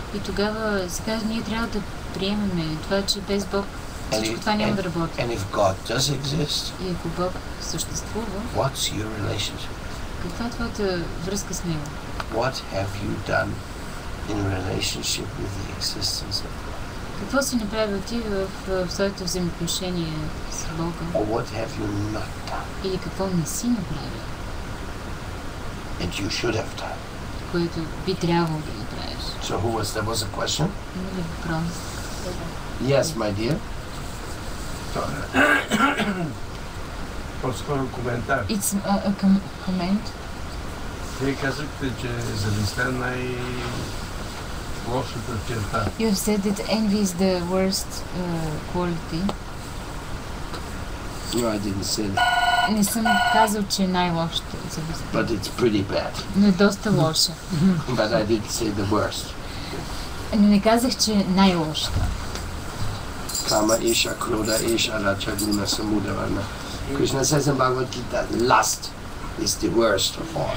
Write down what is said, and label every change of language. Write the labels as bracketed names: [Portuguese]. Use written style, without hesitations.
[Bulgarian] И тогава сега ние трябва да приемем това, че без Бог всичко това няма да работи. [English] And if God does exist, [Bulgarian] и ако Бог съществува, [English] what's your relationship? [Bulgarian] Каква е твоята връзка с Него? [English] What have you done in relationship with the existence of God? [Bulgarian] Какво си направил ти в своето взаимоотношение с Бога? [English] Or what have you not done? [Bulgarian] Или какво не си направил? [English] And you should have done. [Bulgarian] Което би трябвало да направиш. [English] So who was there? Was a question? [Bulgarian] Не, въпрос. [English] Yes, my dear. [Bulgarian] По-скоро коментар. [English] It's a comment. [Bulgarian] Вие казахте, че завистта е най-лошата черта. [English] You have said that envy is the worst quality. No, I didn't say that. [Bulgarian] Не съм казал, че е най-лошата [English] But it's pretty bad. [Bulgarian] Но е доста лошо. [English] But I didn't say the worst. [Bulgarian] Но не казах, че най-лошо. [English] Kama Isha, Kroda Isha, Raja Dina Samudavana. Krishna says in Bhagavad Gita, lust is the worst of all.